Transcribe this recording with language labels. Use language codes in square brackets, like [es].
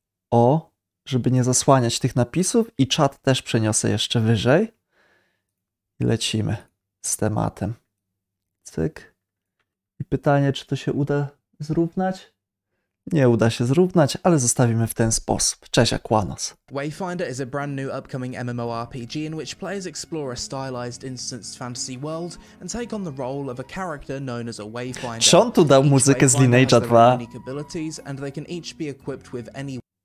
[pl] O, żeby nie zasłaniać tych napisów i czat też przeniosę jeszcze wyżej. I lecimy z tematem. Cyk. I pytanie, czy to się uda zrównać? Nie uda się zrównać, ale zostawimy w ten sposób. Cześć, Aquanos. [en] Wayfinder is a brand new upcoming MMORPG in which players explore a stylized instanced fantasy world and take on the role of a character known as a Wayfinder. [pl] Czy on tu dał muzykę z Lineage 2? [en] And they can each be equipped with any...